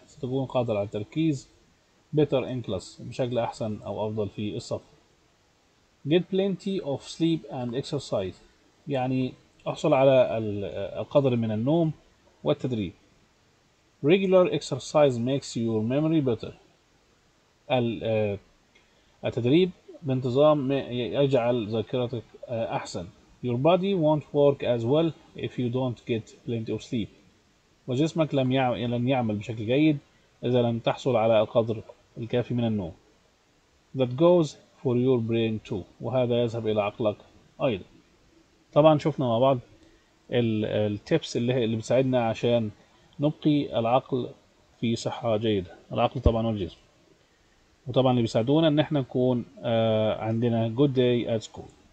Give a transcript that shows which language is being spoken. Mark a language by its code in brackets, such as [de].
[ar] ستكون قادر على التركيز [en] better in class، [ar] بشكل أحسن أو أفضل في الصف. [en] Get plenty of sleep and exercise. [ar] يعني أحصل على القدر من النوم والتدريب. [en] Regular exercise makes your memory better. [ar] التدريب بانتظام يجعل ذاكرتك أحسن. [en] Your body won't work as well if you don't get plenty of sleep. [ar] وجسمك لن يعمل بشكل جيد إذا لم تحصل على القدر الكافي من النوم. [en] That goes for your brain too. [ar] وهذا يذهب إلى عقلك أيضا. طبعا شفنا مع بعض التيبس اللي بتساعدنا عشان نبقي العقل في صحة جيدة، العقل طبعا والجسم، وطبعا اللي بيساعدونا ان احنا نكون عندنا [en] good day at school.